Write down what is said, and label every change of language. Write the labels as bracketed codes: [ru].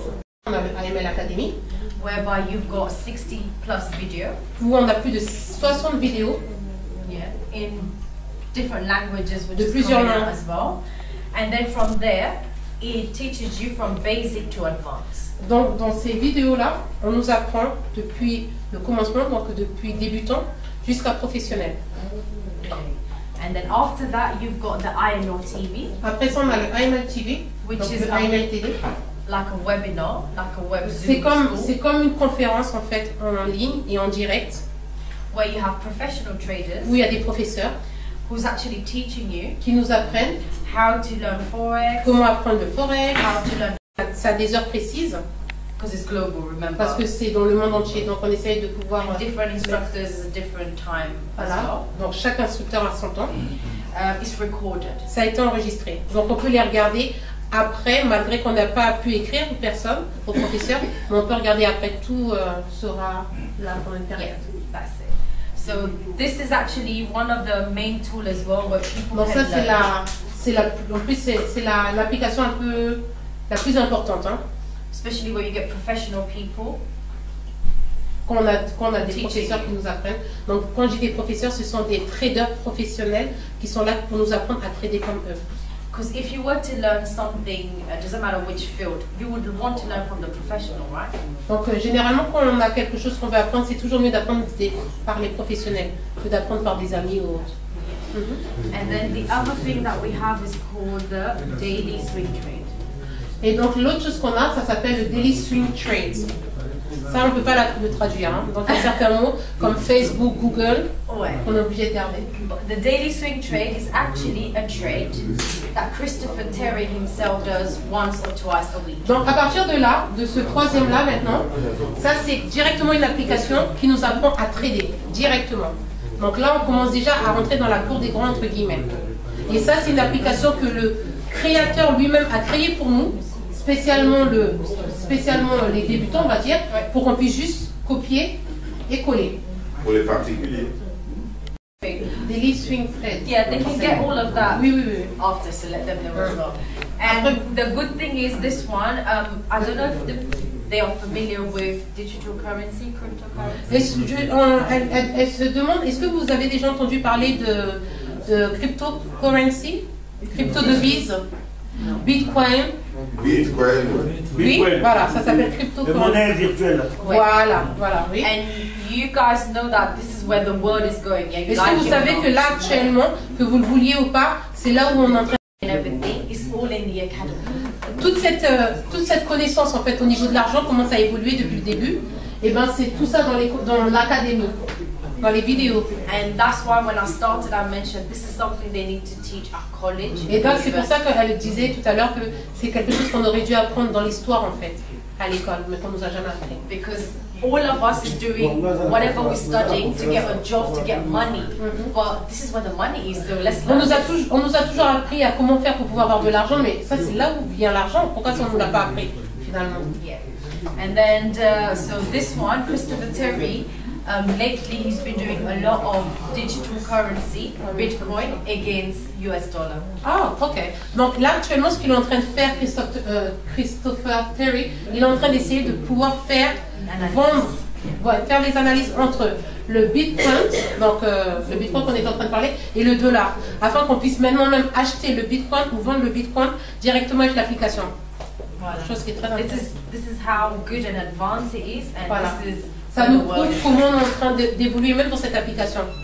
[en] on AML Academy, whereby you've got 60 plus videos. [fr] Où on a plus de 60 vidéos. [en] Yeah. In different languages, which is coming out as well. And then from there, it teaches you from basic to advanced. [fr] Dans ces vidéos-là, on nous apprend depuis le commencement, donc depuis débutant, jusqu'à professionnel. [en] Okay. And then after that, you've got the IML TV. [fr] Après ça, on a le IML TV, [en] which is IML TV. Like a webinar, like a web Zoom. [fr] C'est comme une conférence en fait en ligne et en direct. [en] Where you have professional traders. [fr] Où il y a des professeurs. [en] Who's actually teaching you? [fr] Qui nous apprennent. [en] How to learn forex. [fr] Comment apprendre le forex? [en] How to learn. [fr] Ça a des heures précises. [en] Because it's global, remember. [fr] Parce que c'est dans le monde entier, donc on essaye de pouvoir. [en] And different instructors, different time. [fr] Voilà. [en] As well. [fr] Donc chaque instructeur a son temps. [en] It's recorded. [fr] Ça a été enregistré. Donc on peut les regarder après, malgré qu'on n'a pas pu écrire aux personnes, aux professeurs, mais on peut regarder après tout sera là pour une période. [en] Yeah, that's it. So this is actually one of the main tools as well where people. [fr] Donc ça c'est l'application un peu la plus importante, hein. [en] Especially where you get professional people. [fr] Qu'on a des professeurs qui nous apprennent. Donc quand je dis des professeurs, ce sont des traders professionnels qui sont là pour nous apprendre à trader comme eux. [en] Because if you were to learn something, it doesn't matter which field, you would want to learn from the professional, right? [fr] Donc généralement quand on a quelque chose qu'on veut apprendre, c'est toujours mieux d'apprendre par les professionnels que d'apprendre par des amis ou autres. Mm-hmm. [en] And then the other thing that we have is called the daily swing trade. [fr] Et donc l'autre chose qu'on a, ça s'appelle le daily swing trade. Ça, on ne peut pas le traduire. Hein. Donc, il y a certains mots comme Facebook, Google, ouais. Qu'on est obligé de garder. [en] The daily swing trade is actually a trade that Christopher Terry himself does once or twice a week. [fr] Donc, à partir de là, de ce troisième-là maintenant, ça, c'est directement une application qui nous apprend à trader directement. Donc là, on commence déjà à rentrer dans la cour des grands, entre guillemets. Et ça, c'est une application que le créateur lui-même a créé pour nous, spécialement les débutants, on va dire, pour qu'on puisse juste copier et coller. Pour les particuliers. [en] Daily swing trade. Yeah, they can get all of that. [fr] Oui. [en] After, so let them know as well. And the good thing is this one, I don't know if the they are familiar with digital currency, cryptocurrency. [fr] Elle se demande, est-ce que vous avez déjà entendu parler de cryptocurrency, crypto devise, Bitcoin? Bitcoin. Oui, voilà, ça s'appelle cryptocurrency. Les monnaies virtuelles. Oui. Voilà, voilà, oui. [en] And you guys know that this is where the world is going. Yeah, [fr] est-ce que vous savez que là actuellement, que vous le vouliez ou pas, c'est là où on est en train de [en] faire. It's all in the academy. [fr] Toute cette connaissance en fait au niveau de l'argent commence à évoluer depuis le début. Et ben c'est tout ça dans l'académie, dans les vidéos. [en] And that's why when I started, I mentioned this is something they need to teach at college. [fr] Et donc c'est pour ça qu'elle disait tout à l'heure que c'est quelque chose qu'on aurait dû apprendre dans l'histoire en fait à l'école, mais qu'on nous a jamais appris. [en] Because all of us is doing whatever we're studying to get a job, to get money. Mm-hmm. But this is where the money is, so let's learn. [fr] On nous a toujours appris à comment faire pour pouvoir avoir de l'argent, mais ça c'est là où vient l'argent. Pourquoi on ne l'a pas appris finalement? [en] Yeah. And then so this one, Christopher Terry. Lately, he's been doing a lot of digital currency, Bitcoin, against US dollar. [fr] Ah, ok. Donc là, actuellement, ce qu'il est en train de faire, Christopher Terry, il est en train d'essayer de pouvoir faire des analyses entre le Bitcoin, le Bitcoin qu'on est en train de parler, et le dollar, afin qu'on puisse maintenant même acheter le Bitcoin ou vendre le Bitcoin directement avec l'application. Voilà. Chose qui est très intéressante. [en] This is how good and advanced it is, and voilà. This is... [fr] Ça nous prouve comment on est en train d'évoluer même dans cette application.